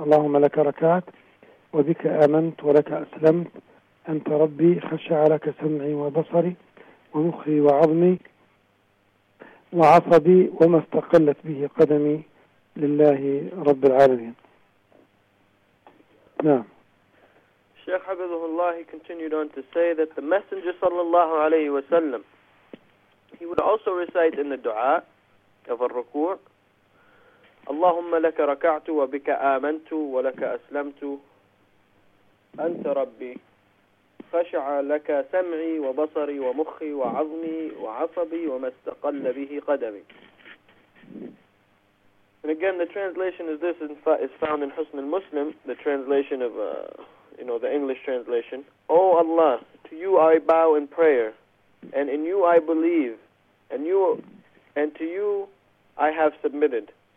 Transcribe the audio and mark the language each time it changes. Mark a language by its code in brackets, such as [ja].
[ar] اللهم لك ركعت وبك آمنت ولك أسلمت أنت ربي خشع لك سمعي وبصري ومخي وعظمي وعصبي وما استقلت به قدمي لله رب العالمين. نعم. الشيخ حفظه الله [en] continued on to say that the Messenger [ar] صلى الله عليه وسلم [en] he would also recite in the dua of الركوع: [ar] اللهم لك ركعت وبك آمنت ولك أسلمت، أنت ربي، خشع لك سمعي وبصري ومخي وعظمي وعصبي وما استقل به قدمي. [en] And again, the translation is this, is found in Husn al-Muslim, the translation of, you know, the English translation. O Allah, to you I bow in prayer, and in you I believe, and to you I have submitted.